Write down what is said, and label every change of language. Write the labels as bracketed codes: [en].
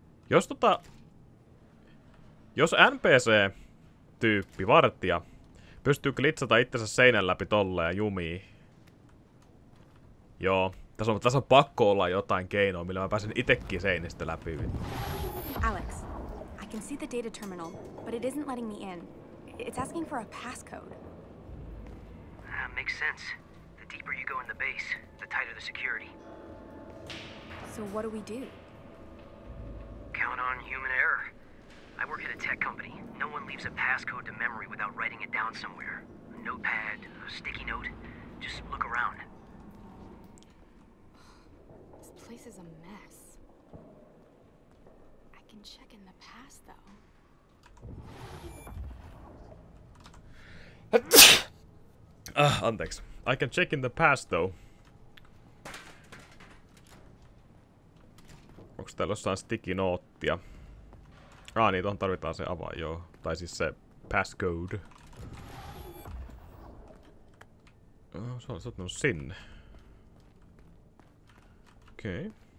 [fi] Jos jos NPC-tyyppi, vartija, pystyy klitsata itsensä seinän läpi tolleen ja jumiin. Joo. Tässä on pakko olla jotain keinoa, millä mä pääsen itekin seinistä läpi. [en] Alex, I can see the data terminal, but it isn't letting me in. It's asking for a passcode. Makes sense. The deeper you go in the base, the tighter the security. So what do we do? Count on human error. I work at a tech company. No one leaves a passcode to memory without writing it down somewhere. A notepad, a sticky note. Just look around. This place is a mess. I can check in the past, though. [fi] Anteeksi. [en] I can check in the past, though. [fi] Onks täällä jossain sticky noottia? Niin, tohon tarvitaan se avain, joo. Tai siis se passcode. Se on sattunut sinne. Okei.